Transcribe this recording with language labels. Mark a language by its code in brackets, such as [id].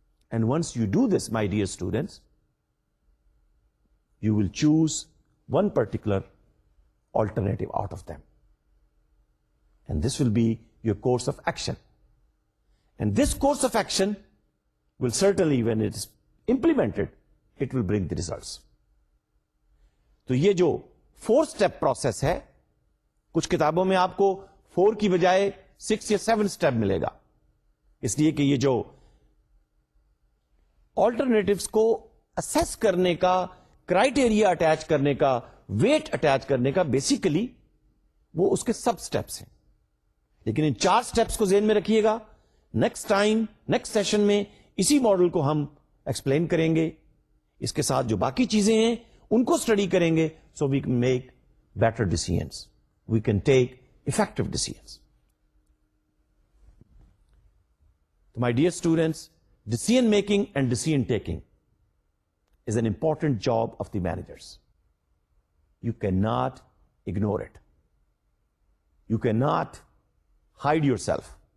[en] And once you do this, my dear students, you will choose one particular alternative out of them. And this will be your course of action. And this course of action will certainly, when it is implemented, it will bring the results. [ur] So, ye jo four-step process hai, kuch kitabon mein aapko 4 کی بجائے 6 یا 7 step ملے گا، اس لیے کہ یہ جو alternatives کو assess کرنے کا کرائٹیریا اٹیچ کرنے کا، ویٹ اٹیچ کرنے کا، بیسیکلی وہ اس کے سب سٹیپس ہیں. لیکن ان چار سٹیپس کو ذہن میں رکھیے گا، نیکسٹ ٹائم نیکسٹ سیشن میں اسی ماڈل کو ہم ایکسپلین کریں گے، اس کے ساتھ جو باقی چیزیں ہیں ان کو اسٹڈی کریں گے، [en] So we can make better decisions, we can take effective decisions. So my dear students, decision making and decision taking is an important job of the managers. You cannot ignore it. You cannot hide yourself.